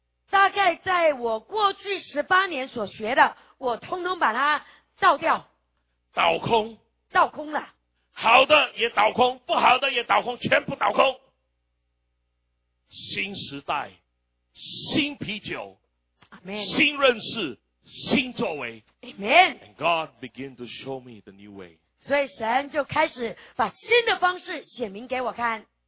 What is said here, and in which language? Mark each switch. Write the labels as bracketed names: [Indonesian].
[Chinese] 大概在我过去18年所学的我通通把它倒掉倒空倒空了好的也倒空不好的也倒空全部倒空新时代新啤酒、 Amen. 新认识新作为 Amen. [English] And God began to show me the new way. [Chinese] 所以神就开始把新的方式显明给我看。